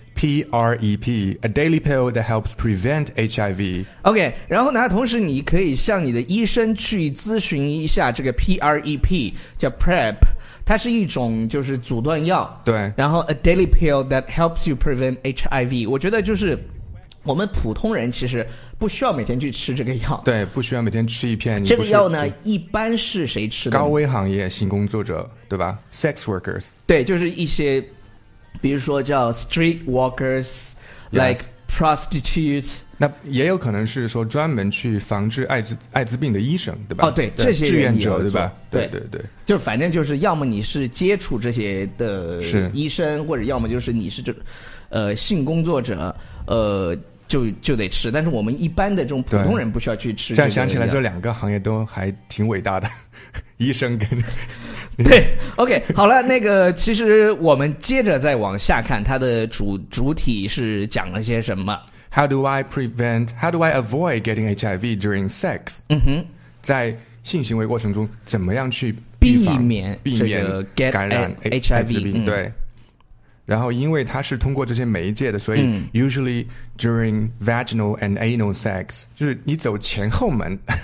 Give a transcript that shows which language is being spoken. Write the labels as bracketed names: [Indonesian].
[English] PrEP, a daily pill that helps prevent HIV. [Chinese] OK, 然后呢，同时你可以向你的医生去咨询一下这个 PrEP, 叫 PrEP, 它是一种就是阻断药。对。然后 [English] a daily pill that helps you prevent HIV. [Chinese] 我觉得就是我们普通人其实不需要每天去吃这个药。对，不需要每天吃一片。这个药呢，一般是谁吃的？高危行业性工作者，对吧 ？ [English] Sex workers. [Chinese] 对，就是一些。比如说叫 [English] street walkers, like prostitutes. [Chinese] 那也有可能是说专门去防治艾滋病的医生，对吧？哦，对，这些志愿者，对吧？对，就反正就是，要么你是接触这些的医生，或者要么就是你是这，性工作者，就得吃。但是我们一般的这种普通人不需要去吃。这样想起来，这两个行业都还挺伟大的，医生跟。对 ，OK， 好了，那个其实我们接着再往下看，它的主体是讲了些什么 [English] ？How do I avoid getting HIV during sex？ [Chinese] 嗯哼，在性行为过程中，怎么样去避免这个感染 HIV？对。然后，因为它是通过这些媒介的，所以 [English] usually during vaginal and anal sex， [Chinese] 就是你走前后门。